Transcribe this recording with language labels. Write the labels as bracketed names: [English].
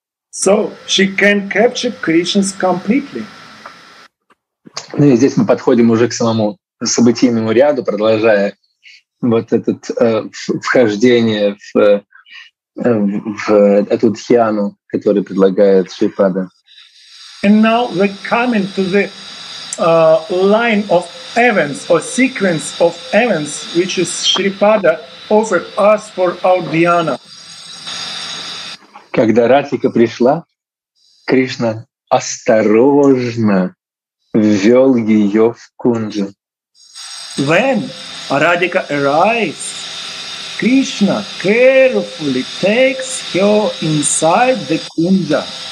[English] So she can capture Krishna's completely. [Russian] Ну и здесь мы подходим уже к самому событийному ряду, продолжая вот это вхождение в эту дхьяну, которую предлагает Шрипада. [English] And now we coming to the line of events or sequence of events, which is Shripada offered us for our dhyana. [Russian] Когда Радхика пришла, Кришна осторожно ввел ее в кунджу. [English] When Radhika arrives, Krishna carefully takes her inside the kunja.